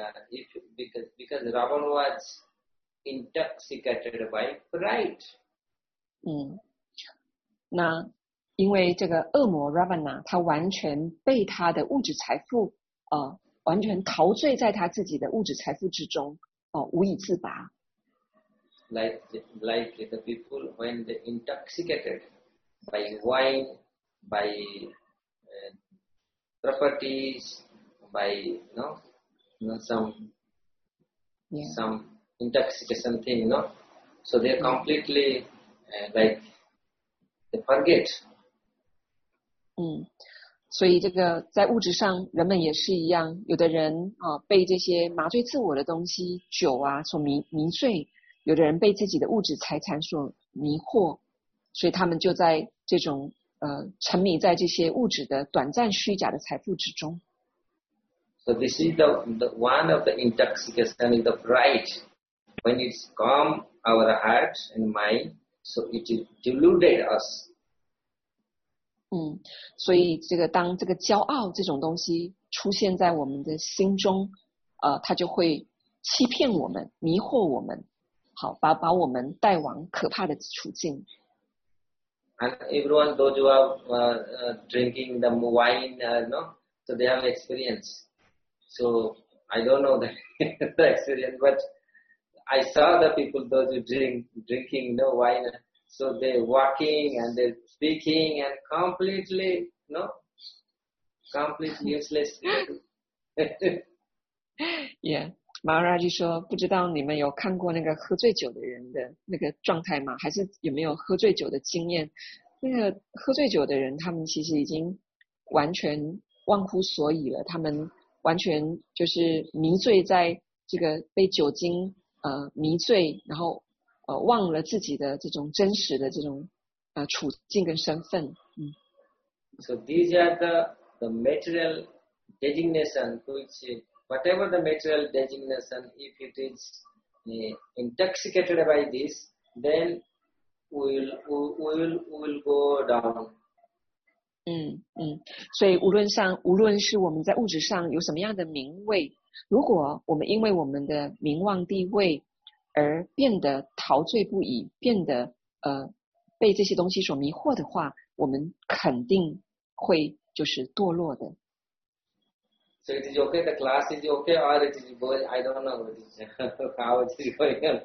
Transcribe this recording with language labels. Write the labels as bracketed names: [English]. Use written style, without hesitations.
[English] If because Ravan was intoxicated by pride. [Chinese] 那。因为这个恶魔 Ravana 他完全被他的物质财富完全陶醉在他自己的物质财富之中无以自拔。 [English] Like the people when they intoxicated by wine, by properties, by some intoxication thing, you know? So they are completely like they forget. [Chinese] 所以这个在物质上人们也是一样，有的人被这些麻醉自我的东西酒啊所迷醉，有的人被自己的物质财产所迷惑，所以他们就在这种沉迷在这些物质的短暂虚假的财富之中。 [English] So this is the one of the intoxication is the pride. When it's come our heart and mind, so it deluded us. [Chinese] 所以这个当这个骄傲这种东西出现在我们的心中，它就会欺骗我们，迷惑我们，好 把我们带往可怕的处境。 [English] And everyone, those who are drinking the wine, no, so they have experience. So I don't know the experience, but I saw the people, those who drinking no wine, so they're walking and they're speaking and completely, no, completely useless. [Chinese] Yeah, Maharaj 说，不知道你们有看过那个喝醉酒的人的那个状态吗？还是有没有喝醉酒的经验？那个喝醉酒的人，他们其实已经完全忘乎所以了，他们完全就是迷醉在这个被酒精迷醉，然后忘了自己的这种真实的这种处境跟身份。嗯。 [English] So these are the material designation, which whatever the material designation, if it is intoxicated by this, then we will go down. [Chinese] 嗯嗯，所以无论是我们在物质上有什么样的名位，如果我们因为我们的名望地位而变得陶醉不已，变得被这些东西所迷惑的话，我们肯定会就是堕落的。 [English] So it is okay, the class is okay, or it is boring, I don't know what it is, how it is going.